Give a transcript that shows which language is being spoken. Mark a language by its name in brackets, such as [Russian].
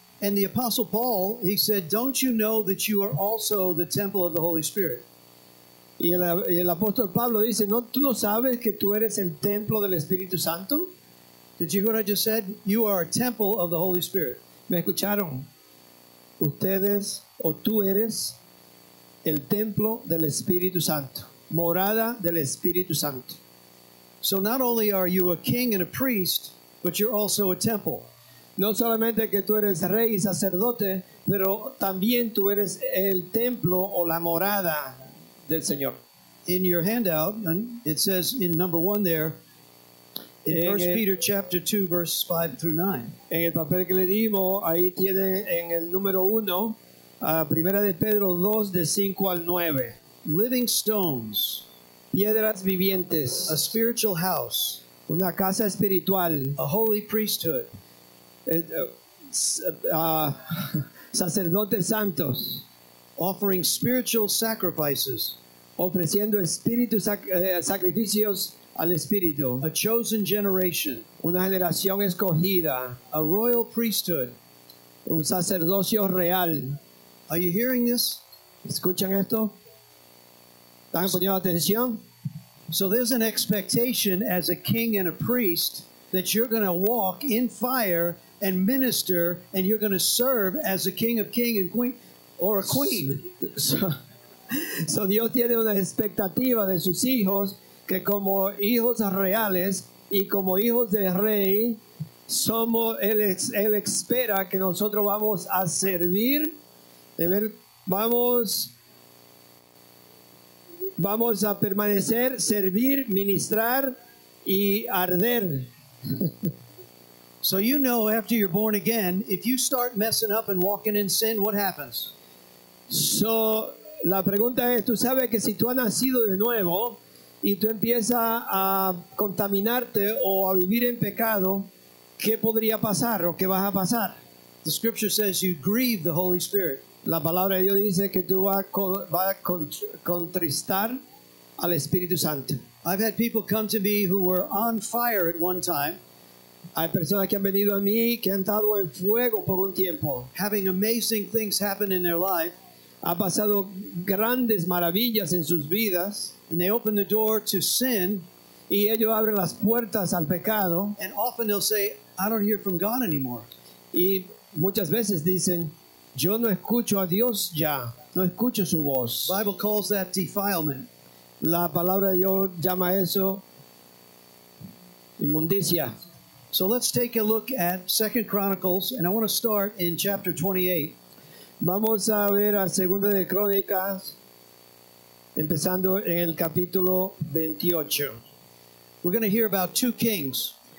[English] And the Apostle Paul, he said, don't you know that you are also the temple of the Holy Spirit? [Spanish] Y el apóstol Pablo dice, ¿no, tú no sabes que tú eres el templo del Espíritu Santo? [English] Did you hear what I just said? You are a temple of the Holy Spirit. [Spanish] ¿Me escucharon? Ustedes o tú eres el templo del Espíritu Santo. Morada del Espíritu Santo. [English] So not only are you a king and a priest, but you're also a temple. [Spanish] No solamente que tú eres rey y sacerdote, pero también tú eres el templo o la morada del Señor. [English] In your handout, it says in number one there, in 1 Peter chapter 2, verse 5 through 9. [Spanish] En el papel que le dimos, ahí tiene en el número uno, Primera de Pedro 2, de 5 al 9. [English] Living stones. [Spanish] Piedras vivientes. [English] A spiritual house. [Spanish] Una casa espiritual. [English] A holy priesthood. [Spanish] Sacerdotes santos. [English] Offering spiritual sacrifices. [Spanish] Ofreciendo espíritus sacrificios al espíritu. [English] A chosen generation. [Spanish] Una generación escogida. [English] A royal priesthood. [Spanish] Un sacerdocio real. [English] Are you hearing this? [Spanish] ¿Escuchan esto? ¿Están poniendo atención? [English] So there's an expectation as a king and a priest that you're going to walk in fire and minister and you're going to serve as a king of kings and queen or a queen. [Spanish] So Dios tiene una expectativa de sus hijos que como hijos reales y como hijos del rey somos él espera que nosotros vamos a servir, de ver, vamos a permanecer, servir, ministrar y arder. [English] So you know, after you're born again, if you start messing up and walking in sin, what happens? [Spanish] So la pregunta es, tú sabes que si tú has nacido de nuevo y tú empiezas a contaminarte o a vivir en pecado, ¿qué podría pasar o qué vas a pasar? [English] The scripture says you grieve the Holy Spirit. [Spanish] La palabra de Dios dice que tú vas a contristar al Espíritu Santo. [English] I've had people come to me who were on fire at one time. [Spanish] Hay personas que han venido a mí que han estado en fuego por un tiempo. [English] Having amazing things happen in their life. [Spanish] Ha pasado grandes maravillas en sus vidas. [English] And they open the door to sin. [Spanish] Y ellos abren las puertas al pecado. [English] And often they'll say, I don't hear from God anymore. [Spanish] Y muchas veces dicen, yo no escucho a Dios ya. No escucho su voz. [English] The Bible calls that defilement. [Spanish] La palabra de Dios llama eso inmundicia. [English] So let's take a look at 2 Chronicles, and I want to start in chapter 28. [Spanish] Vamos a ver a Segunda de Crónicas, empezando en el capítulo 28. [English] We're going to hear about two kings.